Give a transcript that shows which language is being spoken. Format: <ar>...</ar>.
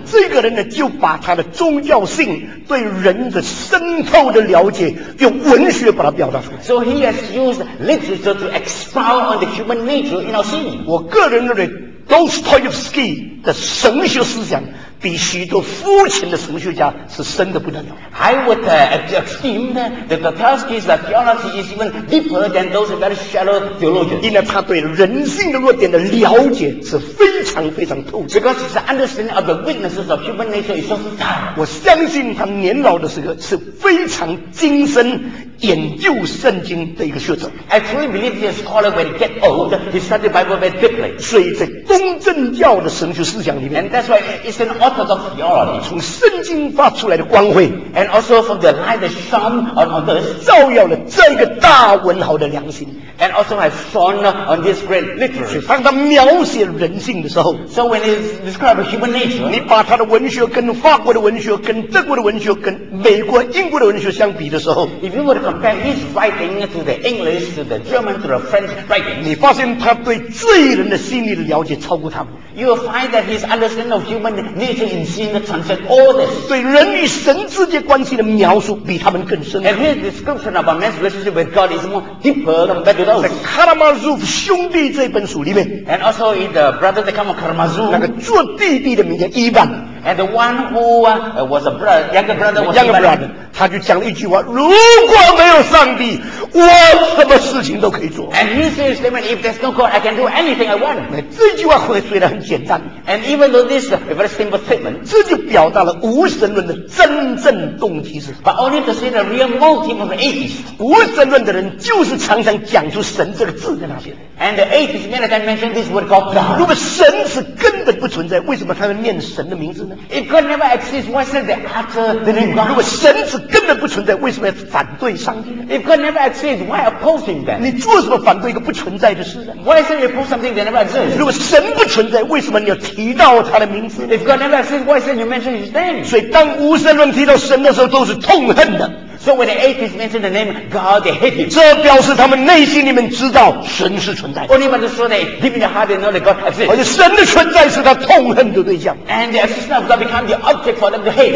<zh>这个人呢，就把他的宗教性对人的深透的了解，用文学把它表达出来。</zh> <en>So he has used literature to expound on the human nature in our sin.</en> <zh>我个人认为 Dostoevsky 的神学思想。比许多肤浅的神学家是深的不得了。</zh> <en>I would assume that the Dostoevsky's theology is even deeper than those very shallow theologians.</en> <zh>因为他对人性的弱点的了解是非常非常透彻。</zh> <en>Because his understanding of the weaknesses of human nature is so thorough.</en> <zh>我相信他年老的时候是非常精深研究圣经的一个学者。</zh> <en>I truly believe he is a scholar when he gets old, he studied the Bible very deeply.</en> <zh>所以在东正教的神学思想里面</zh> <en>And that's why it's an orthodox theology.</en> <zh>从圣经发出来的光辉</zh> <en>And also from the light that shone on others,</en> <zh>照耀了这个大文豪的良心</zh> <en>And also has shone on this great literature.</en> <zh>所以当他描写人性的时候</zh> <en>So when he describes human nature,</en> <zh>你把他的文学跟法国的文学跟德国的文学跟美国英国的文学相比的时候</zh> <en>If you were to compare his writing to the English, to the German, to the French writing,</en> <zh>你发现他对罪人的心理的了解超过他们</zh> <en>You will find that his understanding of human nature In sin, transcend all this.</en> <zh>对人与神之间关系的描述比他们更深。</zh> <en>And his description of a man's relationship with God is more deeper than better than.</en> <zh>在《Karamazov 兄弟》这本书里面。</zh> <en>And also in the brother that comes from Karamazov.</en> <zh>那个做弟弟的名叫伊万。</zh> <en>And the one who was a brother, younger brother, was younger brother,</en> <zh>他就讲了一句话：如果没有上帝，我什么事情都可以做。</zh> <en>And he says, "If there's no God, I can do anything I want."</en> <zh>这句话虽然很简单</zh> <en>，And even though this is a very simple statement,</en> <zh>这就表达了无神论的真正动机是。</zh> <en>But only to see the real motive of the atheist.</en> <zh>无神论的人就是常常讲出神这个字的那些人。</zh> <en>And the atheist many times mention this word called God.</en> <zh>如果神是根本不存在，为什么他们念神的名字？</zh> <en>If God never exists, why say the utter the name God?</en> <zh>如果神是根本不存在，为什么要反对上帝呢</zh> <en>？If God never exists, why oppose Him then?</en> <zh>你做什么反对一个不存在的事呢</zh> <en>？Why say you oppose something that never exists?</en> <zh>如果神不存在，为什么你要提到他的名字</zh> <en>？If God never exists, why say you mention His name?</en> <zh>所以当无神论提到神的时候，都是痛恨的。</zh> <en>So when the atheists mention the name God, they hate Him.</en> <zh>这表示他们内心里面知道神是存在的。</zh> <en>Only when they say deep in their heart, they know that God exists.</en> <zh>而且神的存在是他痛恨的对象。</zh> <en>And the existence of God becomes the object for them to hate.</en>